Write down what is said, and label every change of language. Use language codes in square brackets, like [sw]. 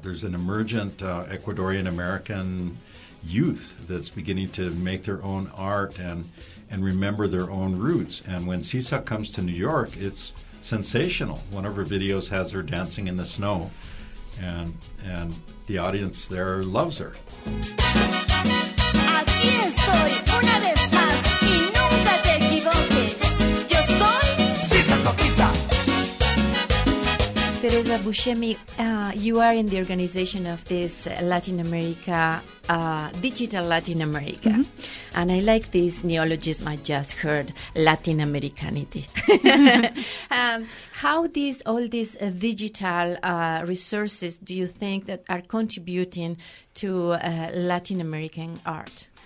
[en] There's an emergent Ecuadorian-American youth that's beginning to make their own art and remember their own roots. And when SZA comes to New York, it's sensational. One of her videos has her dancing in the snow, and the audience there loves her. [es] Aquí estoy, una vez más, y nunca te equivoques. Yo soy SZA Toquiza. [en] Teresa Buscemi, you are in the organization of this Latin America, Digital Latin America. Mm-hmm. And I like this neologism I just heard, Latin Americanity. how these all these digital resources do you think that are contributing to Latin American art?